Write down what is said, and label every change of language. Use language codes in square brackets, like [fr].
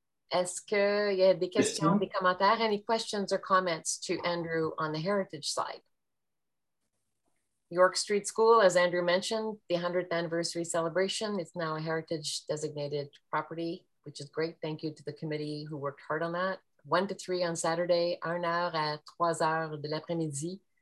[fr] Est-ce que y a des questions, des commentaires? [en] Any questions or comments to Andrew on the heritage side? York Street School, as Andrew mentioned, the 100th anniversary celebration is now a heritage designated property, which is great. Thank you to the committee who worked hard on that. 1 to 3 on Saturday, 1 hour à 3 heures de l'après-midi.